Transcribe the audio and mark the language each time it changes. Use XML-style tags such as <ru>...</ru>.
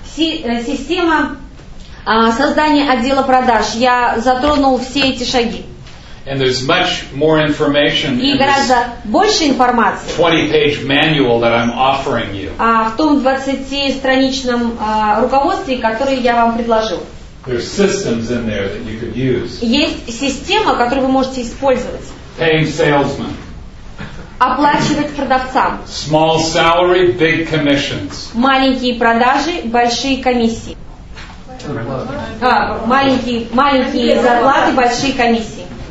<ru>Система создания отдела продаж. Я затронул все эти шаги.</ru> <en>And there's much more information.</en> <ru>И гораздо больше информации.</ru> <en>20-page manual that I'm offering you.</en> <ru>А в том 20-страничном руководстве, который я вам предложил.</ru> <en>There's systems in there that you could use.</en> <ru>Есть система, которую вы можете использовать.</ru> <en>Paying salesmen.</en> <ru>Оплачивать продавцам.</ru> <en>Small salary, big commissions.</en> <ru>Маленькие продажи, большие комиссии. Маленькие зарплаты, большие комиссии.</ru>